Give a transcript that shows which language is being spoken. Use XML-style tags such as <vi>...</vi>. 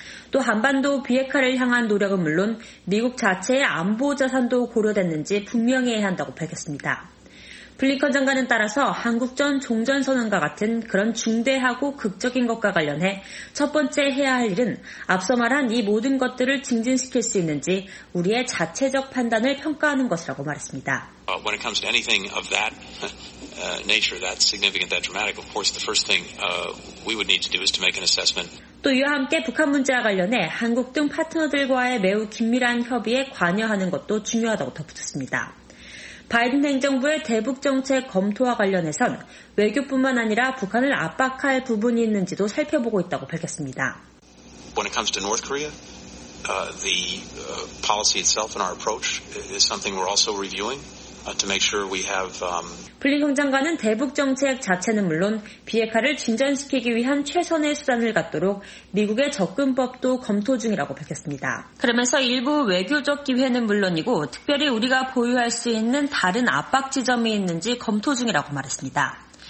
<ko>또 한반도 비핵화를 향한 노력은 물론 미국 자체의 안보 자산도 고려됐는지 분명히 해야 한다고 밝혔습니다. 블링컨 장관은 따라서 한국전 종전선언과 같은 그런 중대하고 극적인 것과 관련해 첫 번째 해야 할 일은 앞서 말한 이 모든 것들을 증진시킬 수 있는지 우리의 자체적 판단을 평가하는 것이라고 말했습니다.</ko> <en>When it comes to anything of that nature, that significant, that dramatic, of course, the first thing we would need to do is to make an assessment.</en> <ko>또 이와 함께 북한 문제와 관련해 한국 등 파트너들과의 매우 긴밀한 협의에 관여하는 것도 중요하다고 덧붙였습니다. 바이든 행정부의 대북정책 검토와 관련해선 외교뿐만 아니라 북한을 압박할 부분이 있는지도 살펴보고 있다고 밝혔습니다.</ko> <en>When it comes to North Korea, the policy itself and our approach is something we're also reviewing to make sure we have.</en> <ko>블링컨 장관은 대북정책 자체는 물론 비핵화를 진전시키기 위한 최선의 수단을 갖도록 미국의 접근법도 검토 중이라고 밝혔습니다. 그러면서 일부 외교적 기회는 물론이고 특별히 우리가 보유할 수 있는 다른 압박 지점이 있는지 검토 중이라고 말했습니다.</ko>